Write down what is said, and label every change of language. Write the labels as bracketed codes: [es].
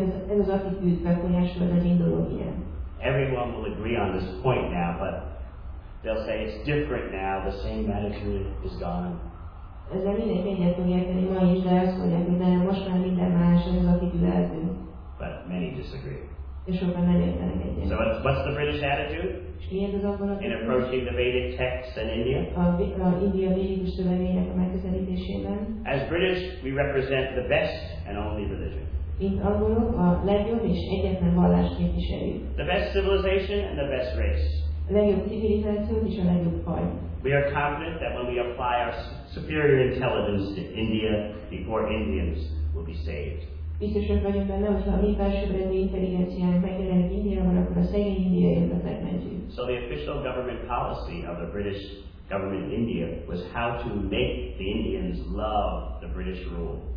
[hu] Ez az attitűd befolyásolta az Indológiát. [en] Everyone will agree on this point now, but they'll say it's different now, the same attitude is gone. [hu] Ezzel mindenki egyet fog érteni ma is, de azt mondják, hogy benne most már minden más, ez az attitűd eltűnt. [en] But many disagree. [hu] És sokan nem értenek egyet. [en] So what's the British attitude? [hu] És mi ez az angol attitűd? [en] In approaching the Vedic texts in India? [hu] A India védikus szövegének a megközelítésében. [en] As British, we represent the best and only religion. [hu] Mint angolok, a legjobb és egyetlen vallást képviseljük. [en] The best civilization and the best race. [hu] A legjobb civilizáció és a legjobb faj. [en] We are confident that when we apply our superior intelligence to India, before Indians will be saved. [hu] Biztosak vagyunk benne, hogy ha a mi felsőbbrendű intelligenciánk megjelenik Indiában, akkor a szegény indiaiakat megmentjük. [en] So the official government policy of the British government in India was how to make the Indians love the British rule.